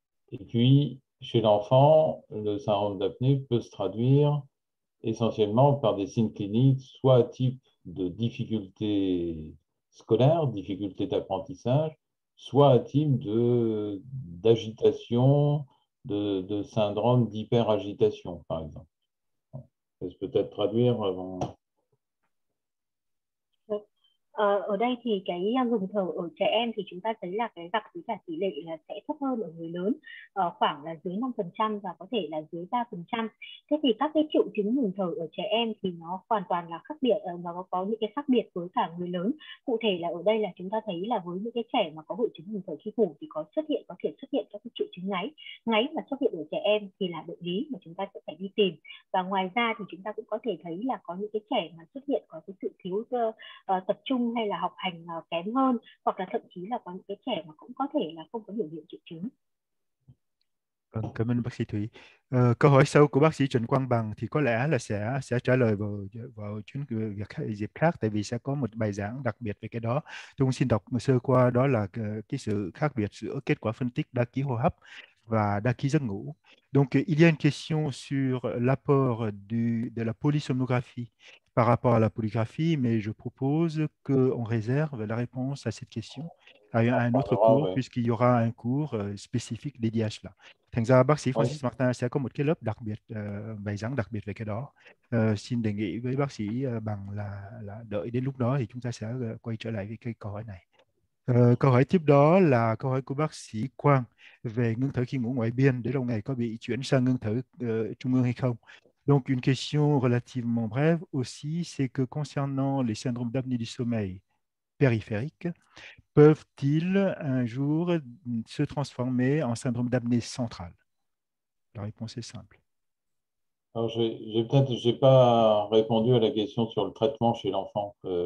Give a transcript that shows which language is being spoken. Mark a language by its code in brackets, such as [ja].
[fr] Et puis, chez l'enfant, le syndrome d'apnée peut se traduire essentiellement par des signes cliniques, soit à type de difficulté scolaire, difficulté d'apprentissage, soit a-t-il d'agitation, de syndrome d'hyperagitation, par exemple. Est-ce peut-être traduire avant? [vi] Ở đây thì cái dùng thở ở trẻ em thì chúng ta thấy là cái gặp với cả tỷ lệ là sẽ thấp hơn ở người lớn, khoảng là dưới 5% và có thể là dưới 3%. Thế thì các cái triệu chứng ngừng thở ở trẻ em thì nó hoàn toàn là khác biệt và có những cái khác biệt với cả người lớn. Cụ thể là ở đây là chúng ta thấy là với những cái trẻ mà có hội chứng ngừng thở khi ngủ thì có thể xuất hiện các cái triệu chứng ngáy. Ngáy mà xuất hiện ở trẻ em thì là bệnh lý mà chúng ta sẽ phải đi tìm. Và ngoài ra thì chúng ta cũng có thể thấy là có những cái trẻ mà xuất hiện có cái sự thiếu tập trung hay là học hành kém hơn, hoặc là thậm chí là có những cái trẻ mà cũng có thể là không có biểu hiện triệu chứng. Cảm ơn bác sĩ Thủy. Câu hỏi sau của bác sĩ Trần Quang Bằng thì có lẽ là sẽ trả lời vào chuyến dịp khác, tại vì sẽ có một bài giảng đặc biệt về cái đó. Tôi cũng xin đọc sơ qua, đó là cái sự khác biệt giữa kết quả phân tích đa ký hô hấp và đa ký giấc ngủ. [fr] Donc, il y a une question sur l'apport de la polysomnographie par rapport à la polygraphie, mais je propose qu'on réserve la réponse à cette question à un autre cours, puisqu'il y aura un cours spécifique dédié à cela. [vi] Thành ra bác sĩ Francis Martin sẽ có một cái lớp đặc biệt, bài giảng đặc biệt về cái đó. Xin đề nghị với bác sĩ bằng là đợi đến lúc đó thì chúng ta sẽ quay trở lại với cái câu hỏi này. Câu hỏi tiếp đó là câu hỏi của bác sĩ Quang về ngưng thở khi ngủ ngoại biên, để lâu ngày có bị chuyển sang ngưng thở trung ương hay không? [fr] Donc une question relativement brève aussi, c'est que concernant les syndromes d'apnée du sommeil périphérique, peuvent-ils un jour se transformer en syndrome d'apnée centrale? La réponse est simple. Alors, j'ai pas répondu à la question sur le traitement chez l'enfant.